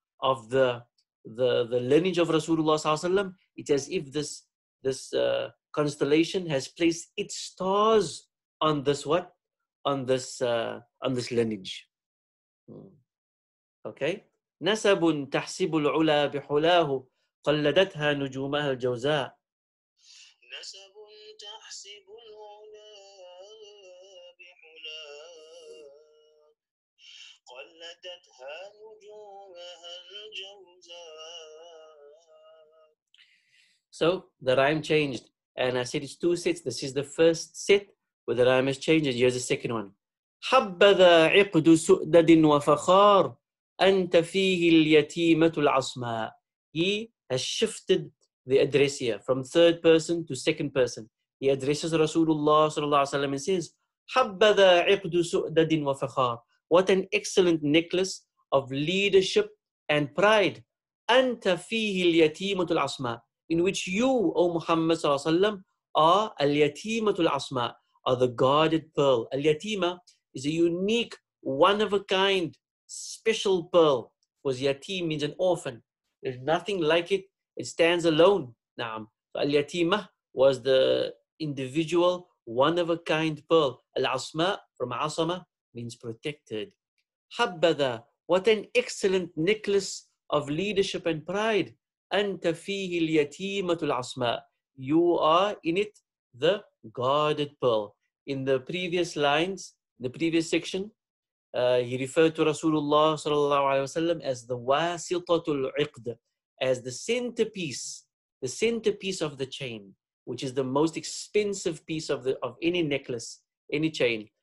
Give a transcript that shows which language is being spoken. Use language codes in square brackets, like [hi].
[en] of the lineage of Rasulullah sallallahu alaihi wasallam. It's as if this constellation has placed its stars on this what? On this lineage. Okay. [ar] نسب تحسب العلا بحلاه قلدتها نجومها الجوزاء. نسب تحسب العلا بحلاه قلدتها نجومها الجوزاء. [en] So the rhyme changed, and I said it's two sets. This is the first set where the rhyme has changed, and here's the second one. [ar] حبذا عقد سؤدد وفخار أنت فيه اليتيمة العصماء. [en] He has shifted the address here from third person to second person. He addresses Rasulullah sallallahu alaihi wasallam and says, [ar] حبذا عقد سؤدد وفخار. [en] What an excellent necklace of leadership and pride. [ar] أنت فيه اليتيمة العصماء. [en] In which you, O Muhammad sallallahu alaihi wasallam, are al-yatimatul asma, are the guarded pearl. Al-yatima is a unique, one-of-a-kind, special pearl. Because yatim means an orphan. There's nothing like it. It stands alone. Naam. So al-yatima was the individual, one-of-a-kind pearl. Al-asma, from asama, means protected. Habbada, what an excellent necklace of leadership and pride. [ar] أنت فيه اليتيمة العصماء. [en] You are in it the guarded pearl. In the previous lines, in the previous section, he referred to Rasulullah صلى الله عليه وسلم as the واسطة العقد, as the centerpiece of the chain, which is the most expensive piece of any necklace, any chain.